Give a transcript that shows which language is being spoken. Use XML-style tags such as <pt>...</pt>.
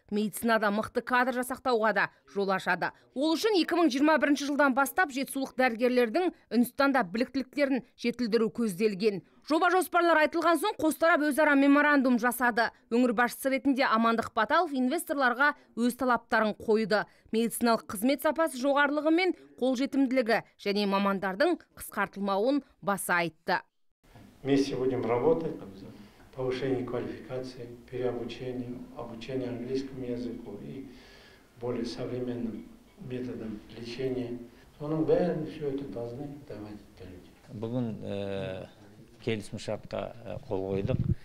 <kk>Медицинада мықты кадр жасақтауға да жол ашады. Ол үшін 2021 жылдан бастап жетісулық дәрігерлердің Үндістанда біліктіліктерін жетілдіру көзделген. Жоба жоспарлар айтылған соң қос тарап өзара меморандум жасады. Өңір басшысы ретінде Амандық Баталов инвесторларға өз талаптарын қойды. Медициналық қызмет сапасы жоғарылығы мен қолжетімділігі және мамандардың қысқартылмауын баса айтты.</kk> <ru>Вместе будем работать, повышение квалификации, переобучение, обучение английскому языку и более современным методом лечения.</ru> <kk>Соның бәрін</kk> <ru>все это должны давать люди.</ru> <kk>Бүгін келісім шартқа қол қойдық.</kk>